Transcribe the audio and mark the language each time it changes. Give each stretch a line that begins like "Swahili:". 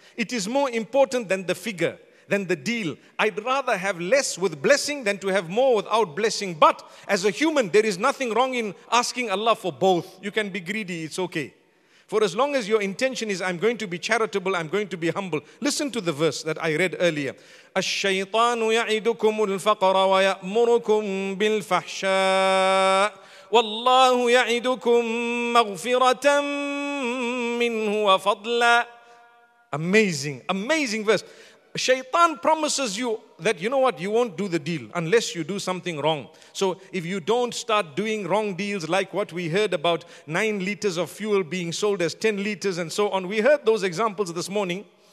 English: It is more important than the figure, than the deal. I'd rather have less with blessing than to have more without blessing. But as a human, there is nothing wrong in asking Allah for both. You can be greedy, it's okay. For as long as your intention is, I'm going to be charitable, I'm going to be humble. Listen to the verse that I read earlier.
Arabic: الشيطان يعدكم الفقر ويأمركم بالفحشاء والله يعدكم مغفرة منه وفضلا.
English: Amazing, amazing verse. Shaitan promises you that, you know what, you won't do the deal unless you do something wrong. So if you don't start doing wrong deals, like what we heard about 9 liters of fuel being sold as 10 liters and so on. We heard those examples this morning.